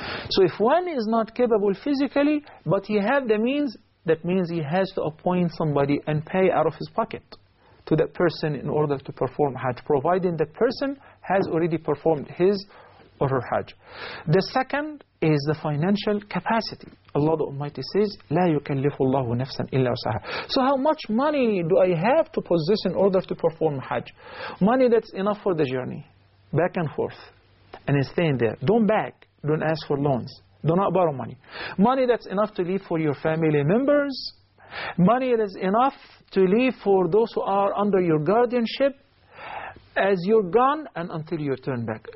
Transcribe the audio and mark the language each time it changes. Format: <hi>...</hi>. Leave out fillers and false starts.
<en>So if one is not capable physically, but he has the means, that means he has to appoint somebody and pay out of his pocket to that person in order to perform Hajj, providing that person has already performed his or her Hajj. The second is the financial capacity.</en> <ar>Allah the Almighty says, لا يكلف الله نفسا إلا وسعها.</ar> <en>So how much money do I have to possess in order to perform Hajj? Money that's enough for the journey, back and forth, and staying there. Don't beg, don't ask for loans, do not borrow money. Money that's enough to leave for your family members, money that is enough to leave for those who are under your guardianship as you're gone and until you turn back.</en>